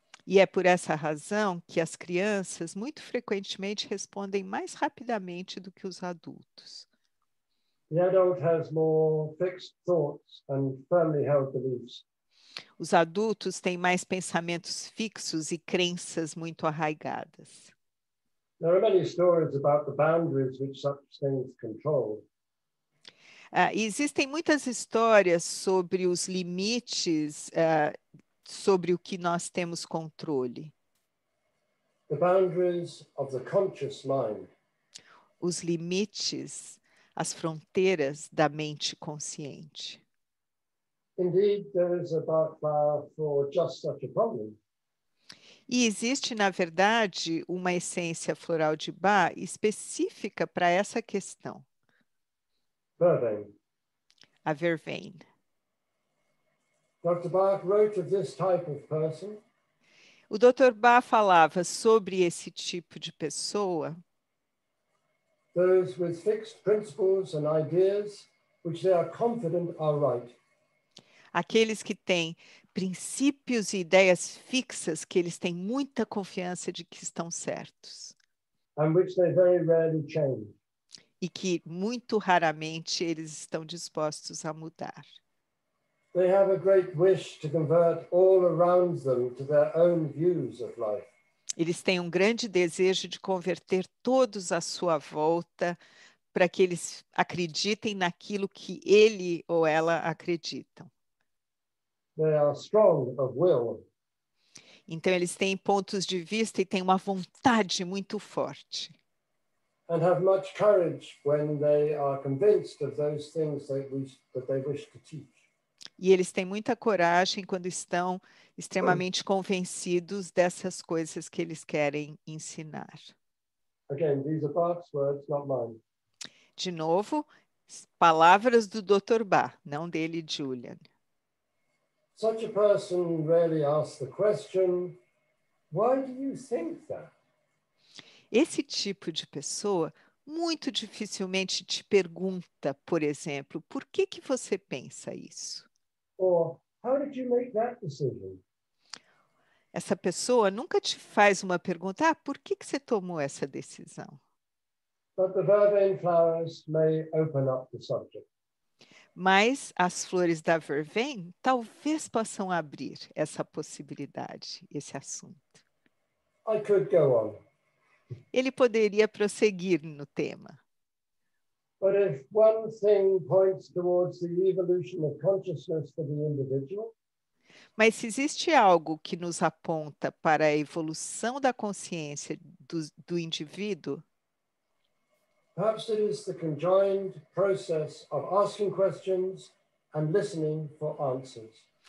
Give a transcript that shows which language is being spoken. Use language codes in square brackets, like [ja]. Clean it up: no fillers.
[pt] E é por essa razão que as crianças muito frequentemente respondem mais rapidamente do que os adultos. [en] The adult has more fixed thoughts and firmly held beliefs. [pt] Os adultos têm mais pensamentos fixos e crenças muito arraigadas. [en] There are many stories about the boundaries which such things control. [pt] Existem muitas histórias sobre os limites sobre o que nós temos controle. [en] The boundaries of the conscious mind. [pt] Os limites, as fronteiras da mente consciente. [en] Indeed, there is a bar for just such a problem. [pt] E existe, na verdade, uma essência floral de Bach específica para essa questão. [en] Vervain. [pt] A vervain. [en] Dr. Bach wrote of this type of person. [pt] O Dr. Bach falava sobre esse tipo de pessoa. [en] Those with fixed principles and ideas which they are confident are right. [pt] Aqueles que têm princípios e ideias fixas que eles têm muita confiança de que estão certos. [en] And which they very rarely change. [pt] E que muito raramente eles estão dispostos a mudar. [en] They have a great wish to convert all around them to their own views of life. [pt] Eles têm um grande desejo de converter todos à sua volta para que eles acreditem naquilo que ele ou ela acreditam. [en] They are strong of will. [pt] Então eles têm pontos de vista e têm uma vontade muito forte. [en] And have much courage when they are convinced of those things that they wish to teach. [pt] E eles têm muita coragem quando estão extremamente convencidos dessas coisas que eles querem ensinar. [en] Again, these are Bach's words, not mine. [pt] De novo, palavras do Dr. Bach, não dele, Julian. [en] Such a person rarely asks the question, why do you think that? [pt] Esse tipo de pessoa muito dificilmente te pergunta, por exemplo, por que que você pensa isso? [en] Or how did you make that decision? [pt] Essa pessoa nunca te faz uma pergunta, por que que você tomou essa decisão? [en] But the vervain flowers may open up the subject. [pt] Mas as flores da vervain talvez possam abrir essa possibilidade, esse assunto. [en] I could go on. [pt] Ele poderia prosseguir no tema. [en] But if one thing points towards the evolution of consciousness for the individual, [pt] mas se existe algo que nos aponta para a evolução da consciência do indivíduo, [en] perhaps it is the conjoined process of asking questions and listening for answers.